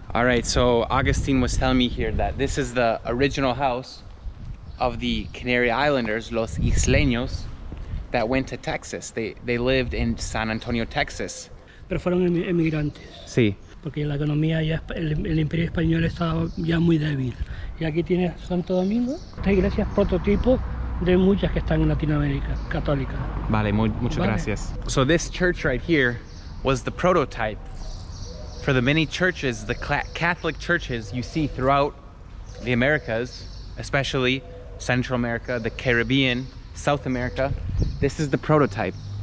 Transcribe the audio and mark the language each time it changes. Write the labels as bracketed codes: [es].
[en] All right, so Augustine was telling me here that this is the original house of the Canary Islanders, Los Isleños, that went to Texas. They lived in San Antonio, Texas. [es] Pero fueron emigrantes. Sí. Porque la economía ya, el imperio español estaba ya muy débil. Y aquí tiene Santo Domingo. Esta iglesia es prototipo de muchas que están en Latinoamérica, católica. Vale, muchas gracias. [en] So this church right here was the prototype for the many churches, the Catholic churches you see throughout the Americas, especially Central America, the Caribbean, South America. This is the prototype.